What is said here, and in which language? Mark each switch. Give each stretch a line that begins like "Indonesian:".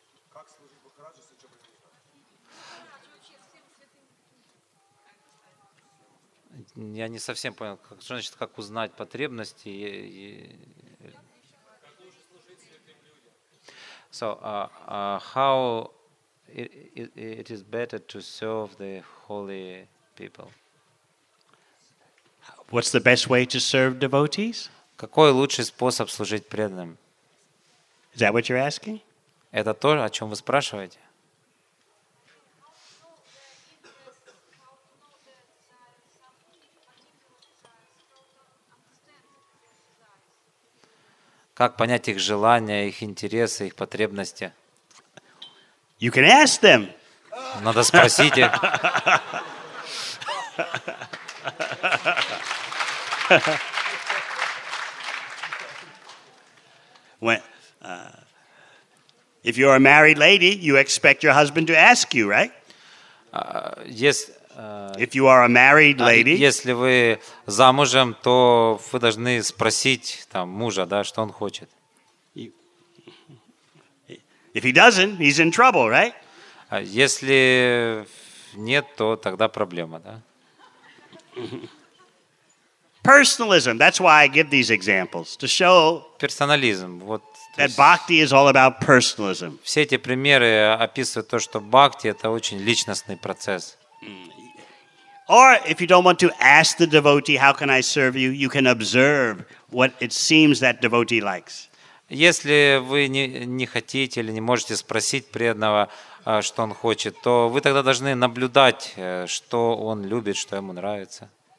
Russian: Как служить Бхакараджу, если что-то не так? Я не совсем понял, как, что значит, как узнать потребности.
English: So, how it is better to serve the holy people? What's the best way to serve devotees?
Russian: Какой лучший способ служить преданным?
English: Is that what you're asking?
Russian: Это то, о чем вы спрашиваете? Как понять их желания, их интересы, их потребности?
English: You can ask them.
Russian: Надо спросить.
English: When, if you're a married lady, you expect your husband to ask you, right? Yes. If you are a married lady,
Russian: если вы замужем, то вы должны спросить там мужа, да, что он хочет.
English: If he doesn't, he's in trouble, right?
Russian: Если нет, то тогда проблема, да?
English: Personalism. That's why I give these examples to show.
Russian: Персонализм. Вот.
English: That bhakti is all about personalism.
Russian: Все эти примеры описывают то, что бхакти это очень личностный процесс.
English: Or if you don't want to ask the devotee how can I serve you, you can observe what it seems that devotee likes.
Russian: Если вы не хотите или не можете спросить преданного, что он хочет, то вы тогда должны наблюдать, что он любит, что ему нравится.